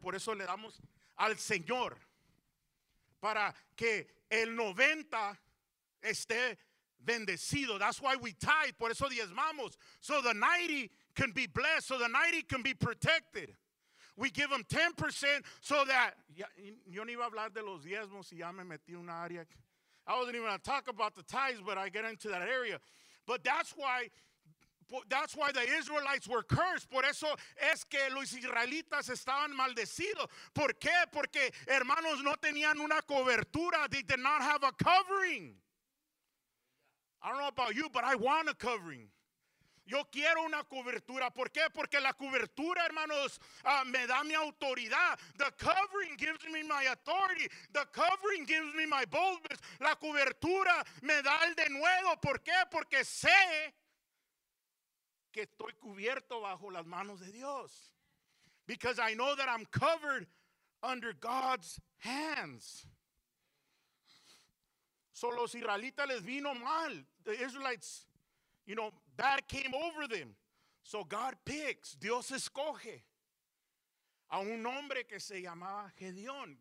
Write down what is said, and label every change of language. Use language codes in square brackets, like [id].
[es] Por eso le damos al Señor. Para que el 90 esté bendecido. [en] That's why we tithe. [es] Por eso diezmamos. [en] So the 90 can be blessed. So the 90 can be protected. We give them 10% so that. [es] Yo no iba a hablar de los diezmos y ya me metí en una área. [en] I wasn't even going to talk about the tithes, but I get into that area. But that's why the Israelites were cursed. [es] Por eso es que los israelitas estaban maldecidos. ¿Por qué? Porque hermanos no tenían una cobertura. [en] They did not have a covering. I don't know about you, but I want a covering. [es] Yo quiero una cobertura. ¿Por qué? Porque la cobertura, hermanos, me da mi autoridad. [en] The covering gives me my authority. The covering gives me my boldness. [es] La cobertura me da el denuedo. ¿Por qué? Porque sé que estoy cubierto bajo las manos de Dios. [en] Because I know that I'm covered under God's hands. So [es] los israelitas les vino mal. [en] The Israelites, you know, bad came over them. So God picks. [es] Dios escoge a un hombre que se llamaba Gedeón.